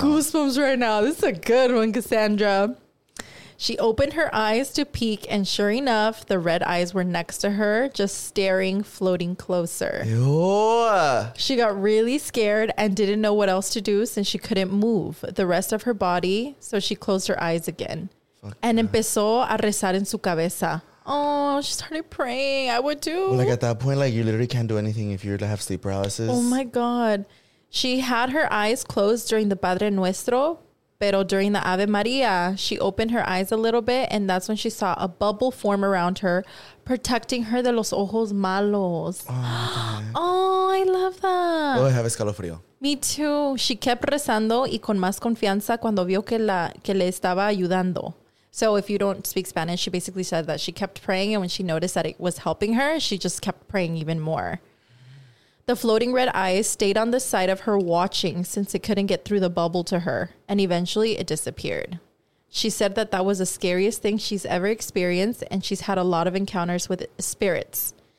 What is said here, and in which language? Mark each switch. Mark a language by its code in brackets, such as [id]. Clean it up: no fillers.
[en] I have goosebumps right now. This is a good one, Cassandra. She opened her eyes to peek, and sure enough, the red eyes were next to her, just staring, floating closer. Ew. She got really scared and didn't know what else to do since she couldn't move the rest of her body, so she closed her eyes again. Fuck and that. [es] Empezó a rezar en su cabeza. [en] Oh, she started praying. I would too. Well, like at that point, like you literally can't do anything if you're to have sleep paralysis. Oh my God. She had her eyes closed during the Padre Nuestro, but during the Ave Maria, she opened her eyes a little bit, and that's when she saw a bubble form around her, protecting her [es] de los ojos malos. [en] Oh, oh, I love that. Oh, I have escalofrío. Me too. She kept [es] rezando y con más confianza cuando vio que la que le estaba ayudando. [en] So if you don't speak Spanish, she basically said that she kept praying, and when she noticed that it was helping her, she just kept praying even more. The floating red eyes stayed on the side of her watching since it couldn't get through the bubble to her, and eventually it disappeared. She said that that was the scariest thing she's ever experienced, and she's had a lot of encounters with spirits.